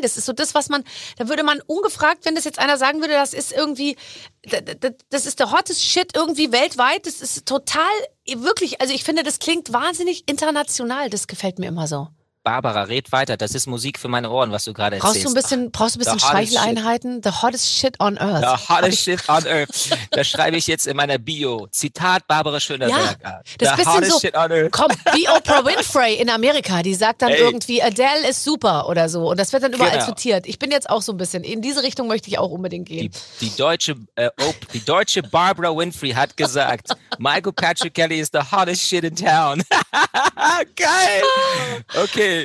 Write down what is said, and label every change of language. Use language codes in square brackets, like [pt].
[de] Das ist so das, was man, da würde man ungefragt, wenn das jetzt einer sagen würde, das ist irgendwie, das ist der [en] hottest Shit [de] irgendwie weltweit. Das ist total, wirklich, also ich finde, das klingt wahnsinnig international. Das gefällt mir immer so. Barbara, red weiter. Das ist Musik für meine Ohren, was du gerade erzählst. Brauchst du ein bisschen Schleicheleinheiten? [en] The hottest shit on earth. The hottest shit on earth. [de] Das schreibe ich jetzt in meiner Bio. Zitat Barbara Schöneberger. Ja, das ist so, [en] shit on earth. [de] Komm, wie Oprah Winfrey in Amerika. Die sagt dann irgendwie, Adele ist super oder so. Und das wird dann überall zitiert. Ich bin jetzt auch so ein bisschen, in diese Richtung möchte ich auch unbedingt gehen. Die deutsche Barbara Winfrey hat gesagt, Michael Patrick Kelly [en] is the hottest shit in town. [de] Geil. Okay.